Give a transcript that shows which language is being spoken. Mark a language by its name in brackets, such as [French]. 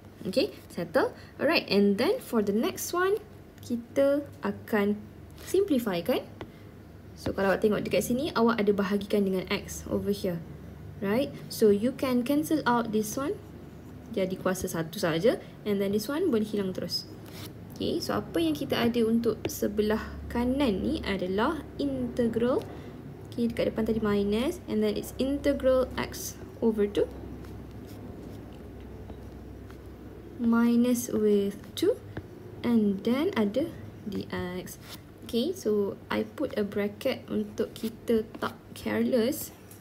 [English] Okay, settle. Alright, and then for the next one, [Malay] kita akan [English] Simplify, kan? [Malay] So, kalau awak tengok dekat sini, awak ada bahagikan dengan X [English] over here. Right? So, you can cancel out this one. [Malay] Jadi, kuasa satu saja. [English] And then, this one [Malay] boleh hilang terus. Okay. So, apa yang kita ada untuk sebelah kanan ni adalah integral. Okay, dekat depan tadi minus. [English] And then, it's integral X over 2. Minus with 2. And then, ada dx. Okay, so I put a bracket [Malay] untuk kita tak [English] careless.